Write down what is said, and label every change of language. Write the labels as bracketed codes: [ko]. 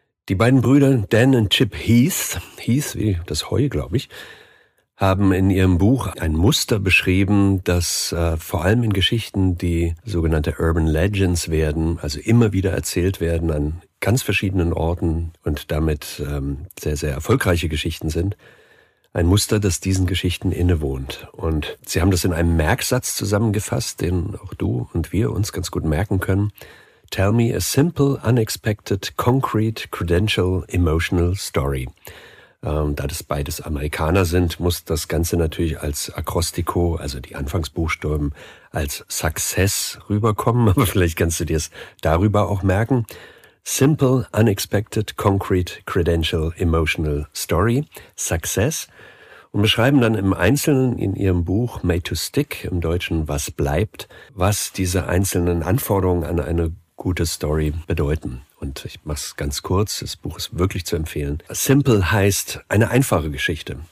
[de] Die beiden Brüder Dan und Chip Heath, wie das Heu, glaube ich, haben in ihrem Buch ein Muster beschrieben, das vor allem in Geschichten, die sogenannte Urban Legends werden, also immer wieder erzählt werden an ganz verschiedenen Orten und damit sehr, sehr erfolgreiche Geschichten sind, ein Muster, das diesen Geschichten innewohnt. Und sie haben das in einem Merksatz zusammengefasst, den auch du und wir uns ganz gut merken können. [en] Tell me a simple, unexpected, concrete, credential, emotional story. [de] Da das beides Amerikaner sind, muss das Ganze natürlich als Akrostiko, also die Anfangsbuchstaben, als Success rüberkommen. Aber vielleicht kannst du dir es darüber auch merken. [en] Simple, unexpected, concrete, credential, emotional story. Success. [de] Und beschreiben dann im Einzelnen in ihrem Buch Made to Stick, im Deutschen Was bleibt, was diese einzelnen Anforderungen an eine gute Story bedeuten. Und ich mach's ganz kurz, das Buch ist wirklich zu empfehlen. Simple heißt eine einfache Geschichte.